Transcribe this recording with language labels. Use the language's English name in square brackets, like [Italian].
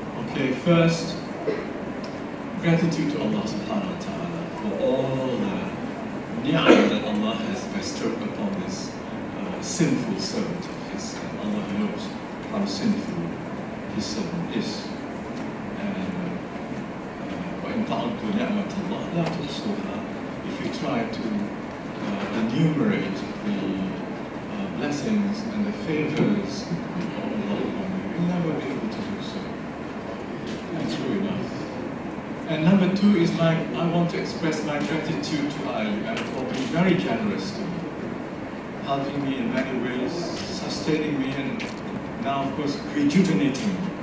[English] Okay, first, gratitude to Allah subhanahu wa ta'ala for all the ni'am that Allah has bestowed upon this sinful servant of His. Allah knows how sinful His servant is. [Arabic] And وَإِنْتَعَدُّ نِعْمَةَ اللَّهِ لَا تُحْصُوهَا. [English] If you try to enumerate the blessings and the favors of Allah upon you, you'll never be able to do so. True enough. And number two is I want to express my gratitude to IIUM for being very generous to me, helping me in many ways, sustaining me, and now, of course, rejuvenating me.